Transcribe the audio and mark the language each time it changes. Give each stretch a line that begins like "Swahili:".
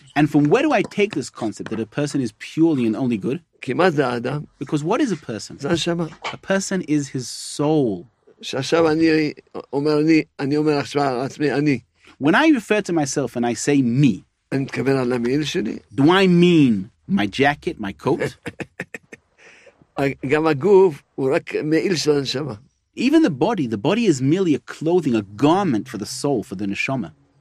English: And from where do I take this concept that a person is purely and only good?
Hebrew: כי מה זה האדם?
English: Because what is a person?
Hebrew: זה הנשמה.
English: A person is his soul.
Hebrew: שעכשיו אני אומר עכשיו עצמי, אני.
English: When I refer to myself and I say me,
Hebrew: אני מתכוון על המעיל שלי?
English: Do I mean my jacket, my coat?
Hebrew: גם הגוף הוא רק מעיל של הנשמה.
English: Even the body is merely a clothing, a garment for the soul, for the neshama.